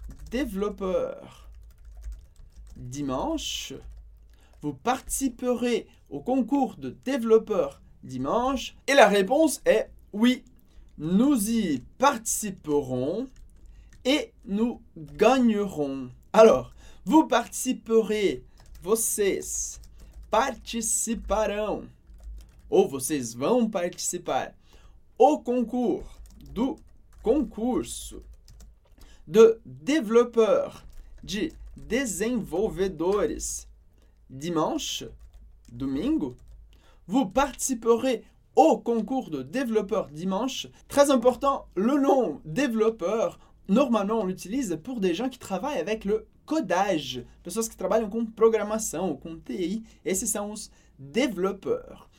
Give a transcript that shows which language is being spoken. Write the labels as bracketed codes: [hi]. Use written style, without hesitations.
[fr] développeur. Dimanche, vous participerez au concours de développeur dimanche. Et la réponse est oui, nous y participerons et nous gagnerons. Alors, vous participerez, [pt] vocês participarão, ou vocês vão participar [fr] au concours [pt] do concurso [fr] de développeur [pt] de desenvolvedores dimanche, domingo. [fr] Vous participerez au concours de développeurs dimanche. Très important, le nom développeur, normalement on l'utilise pour des gens qui travaillent avec le codage, [pt] pessoas que trabalham com programação, com TI, esses são os développeurs.